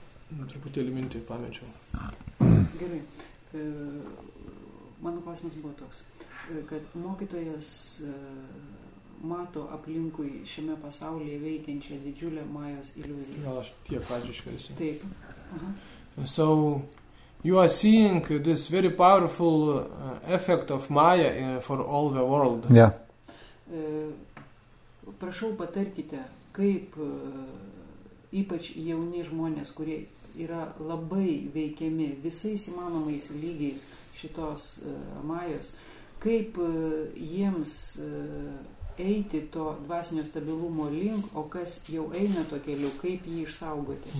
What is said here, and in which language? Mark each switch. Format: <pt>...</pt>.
<lt>Truputėlį mintį pamečiau. Gerai. Mano klausimas buvo toks, kad mokytojas mato aplinkui šiame pasaulyje veikiančią didžiulę majos iliuziją. Gal aš tiek pažiškiausiu. Taip.</lt> <en>So, you are seeing this very powerful effect of Maya for all the world. Yeah.</en> <lt>Prašau patarkite, kaip ypač jauni žmonės, kurie yra labai veikiami visais įmanomais lygiais šitos majos, kaip jiems eiti to dvasinio stabilumo link, o kas jau eina to keliu, kaip jį išsaugoti.</lt>